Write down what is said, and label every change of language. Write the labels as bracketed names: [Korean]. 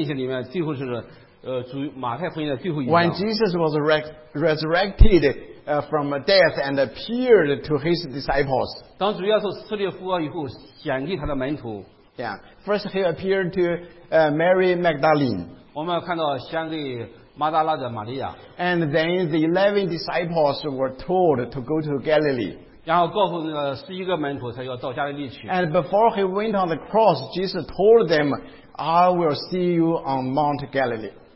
[Chinese] 下面我们今天的信息里面最后是马太福音的最后一章。 [English] When Jesus was resurrected from death and appeared to his disciples. [Chinese] 当主耶稣死里复活以后显给他的门徒。 [English] Yeah. First he appeared to Mary Magdalene. [Chinese] 我们看到显给马大拉的玛利亚。 [English] And then the 11 disciples were told to go to Galilee. [Chinese] 然后告诉那个11个门徒他要到加利利去。 [English] And before he went on the cross, Jesus told them, I will see you on Mount Galilee.